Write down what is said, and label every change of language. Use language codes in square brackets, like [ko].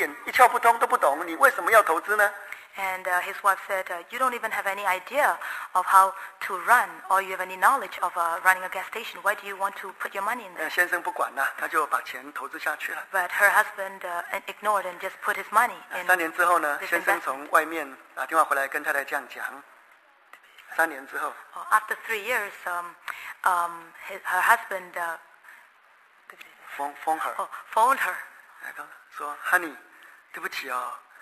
[zh] 那先生讲，太太讲说，哎呦，拜托，你这个对石油公司，对这个油，你一点一窍不通都不懂，你为什么要投资呢？ [en] And his wife said, you don't even have any idea of how to run, or you have any knowledge of running a gas station. Why do you want to put your money in there? [zh] 先生不管了，他就把钱投资下去了。 [en] But her husband ignored and just put his money in. [zh] 3年之后呢，先生从外面打电话回来跟太太这样讲。3年之后。 [en] After 3 years, her husband phoned her. [zh] 说 ，Honey， 对不起哦。